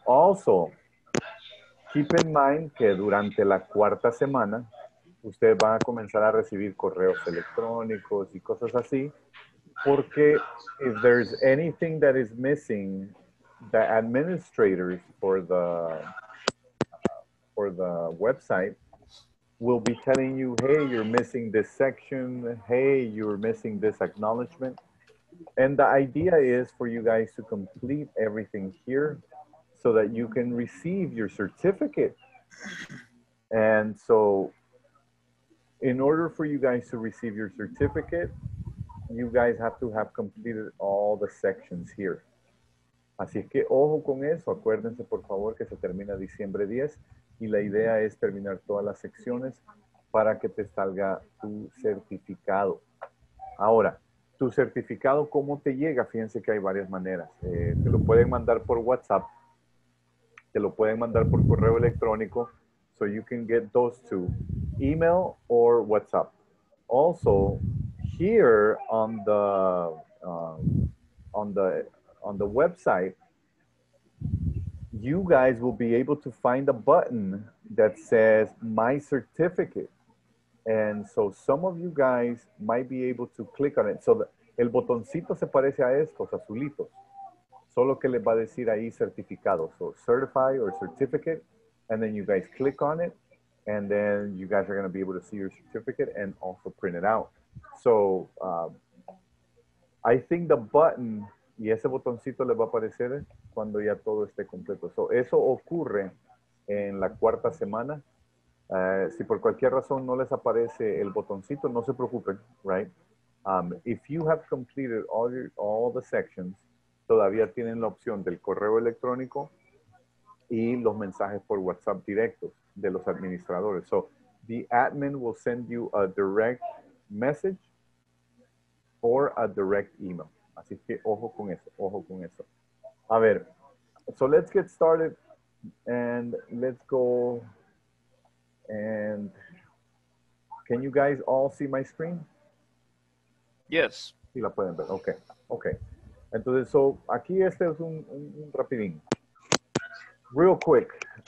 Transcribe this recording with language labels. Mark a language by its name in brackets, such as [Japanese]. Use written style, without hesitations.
[English] Also, keep in mind [Spanish] que durante la cuarta semana, ustedes van a comenzar a recibir correos electrónicos y cosas así. Porque [English] if there's anything that is missing, the administrators for the website will be telling you, hey, you're missing this section. Hey, you're missing this acknowledgement. And the idea is for you guys to complete everything here so that you can receive your certificate. And so in order for you guys to receive your certificate, you guys have to have completed all the sections here. [Spanish] Así es que ojo con eso. Acuérdense, por favor, que se termina diciembre 10. Y la idea es terminar todas las secciones para que te salga tu certificado. Ahora, tu certificado, ¿cómo te llega? Fíjense que hay varias maneras. Te lo pueden mandar por WhatsApp. Te lo pueden mandar por correo electrónico. [English] So you can get those two, email or WhatsApp. Also, here on the website, you guys will be able to find a button that says My Certificate. And so some of you guys might be able to click on it. [Spanish] So el botoncito se parece a estos azulitos. Solo que les va a decir ahí certificado. [English] So certify or certificate. And then you guys click on it. And then you guys are going to be able to see your certificate and also print it out. So I think the button, [Spanish] y ese botoncito les va a aparecer cuando ya todo esté completo. So eso ocurre en la cuarta semana. Si por cualquier razón no les aparece el botoncito, no se preocupen, right? [English] If you have completed all the sections, [Spanish] todavía tienen la opción del correo electrónico y los mensajes por WhatsApp directos de los administradores. [English] So, the admin will send you a direct message or a direct email. [Spanish] Así que ojo con eso, ojo con eso. A ver, [English] so let's get started and let's go. And can you guys all see my screen? Yes. [Spanish] Sí, la pueden ver. Okay. Okay. Entonces, so aquí este es un rapidín. [English] Real quick.